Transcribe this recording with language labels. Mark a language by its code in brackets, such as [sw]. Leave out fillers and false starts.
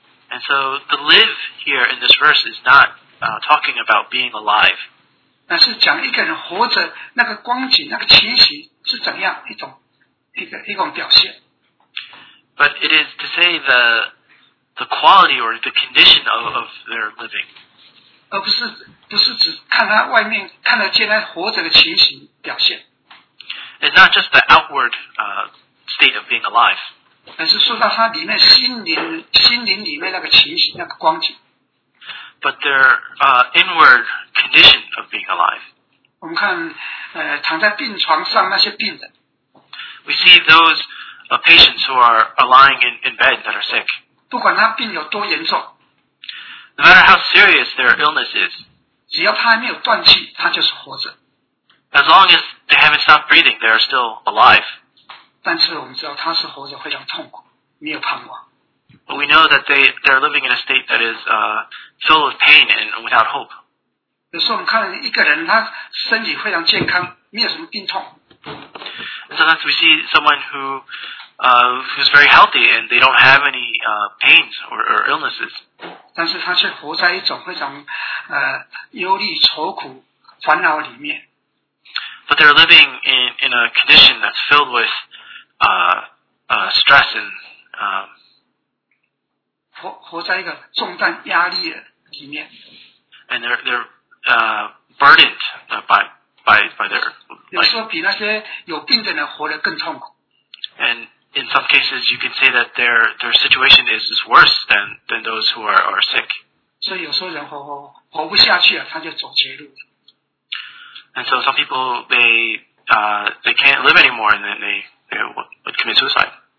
[en] And so the live here in this verse is not talking about being alive. [zh] 那是讲一个人活着那个光景那个情形是怎样一种表现。 [en] But it is to say the quality or the condition of their living. [zh] 而不是只看他外面看得见他活着的情形表现。 [en] It's not just the outward state of being alive. [zh] 而是说到他里面心灵里面那个情形那个光景。 [en] But their inward condition of being alive. [zh] 我们看，躺在病床上那些病人。 [en] We see those patients who are lying in bed that are sick. [zh] 不管他病有多严重。 [en] No matter how serious their illness is, [zh] 只要他还没有断气，他就是活着。 [en] As long as they haven't stopped breathing, they are still alive. [zh] 但是我们知道他是活着非常痛苦，没有盼望。 [en] But we know that they are living in a state that is filled with pain and without hope. [zh] 有时候我们看到一个人，他身体非常健康，没有什么病痛。 [en] Sometimes we see someone who is very healthy and they don't have any pains or illnesses. [zh] 但是他却活在一种非常忧虑、愁苦、烦恼里面。 [en] But they're living in a condition that's filled with stress and [zh] 活在一个重担压力的里面。 [en] And they're burdened by their life. [zh] 有时候比那些有病的人活得更痛苦。 [en] And in some cases, you can say that their situation is worse than those who are sick. [zh] 所以有时候人活不下去了，他就走绝路了。 [en] And so some people, they can't live anymore and then they would commit suicide.